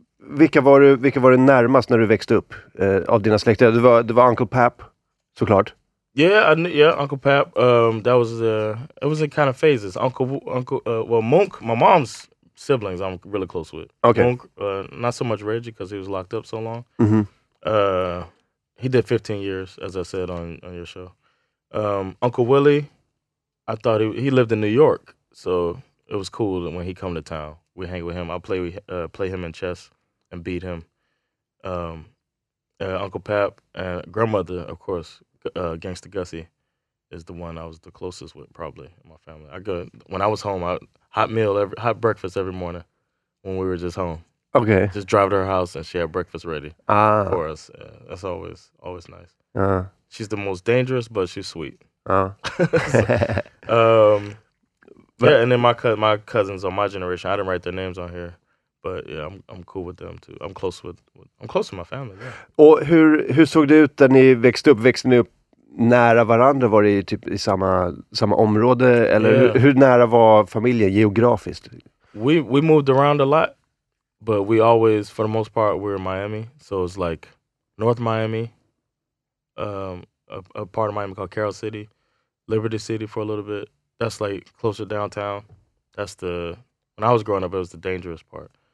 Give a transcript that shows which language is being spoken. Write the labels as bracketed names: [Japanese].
[Swedish] Vilka var du närmast när du växte upp av dina släktingar? Det var Uncle Pap, såklart. [English] Yeah, Uncle Pap. That was it was in kind of phases. Well, Monk, my mom's siblings, I'm really close with. Okay. Monk, not so much Reggie because he was locked up so long. Mm-hmm. He did 15 years, as I said on your show. Uncle Willie, I thought he lived in New York, so it was cool when he come to town. We hang with him. I play him in chess and beat him. Uncle Pap and grandmother, of course. Gangsta Gussie is the one I was the closest with, probably, in my family. I go when I was home. Hot breakfast every morning when we were just home. Okay, just drive to her house and she had breakfast ready for us. Yeah, that's always nice. She's the most dangerous, but she's sweet. Yeah, and then my cousins on my generation. I didn't write their names on here, but yeah, I'm cool with them too. I'm close to my family. Yeah. [Swedish] Och hur såg det ut när ni växte upp nära varandra? Var det typ i samma område, eller yeah, hur nära var familjen geografiskt? [English] We moved around a lot, but we always, for the most part, we were in Miami. So it's like North Miami, a part of Miami called Carroll City, Liberty City for a little bit. That's like closer downtown. That's the, when I was growing up, it was the dangerous part.